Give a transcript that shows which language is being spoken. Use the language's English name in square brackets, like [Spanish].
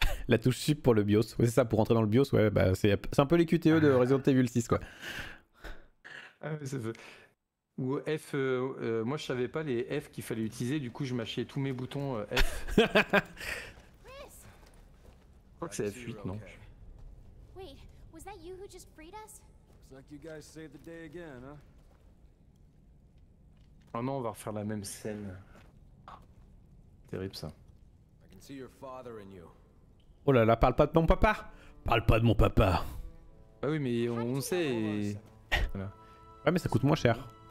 [French] La touche sup pour le BIOS, c'est ça, pour rentrer dans le BIOS, ouais, bah c'est un peu les QTE de Resident Evil 6, quoi. Ou F, moi je savais pas les F qu'il fallait utiliser, du coup je mâchais tous mes boutons F. Je crois que c'est F8, non. [English] Wait, was that you who just freed us? Looks like you guys saved the day again, huh? [French] Oh non, on va refaire la même scène. Terrible ça. [English] I can see your father in you. [French] Oh là là, parle pas de mon papa! Parle pas de mon papa! Bah oui, mais on sait. Ouais, mais ça coûte moins cher.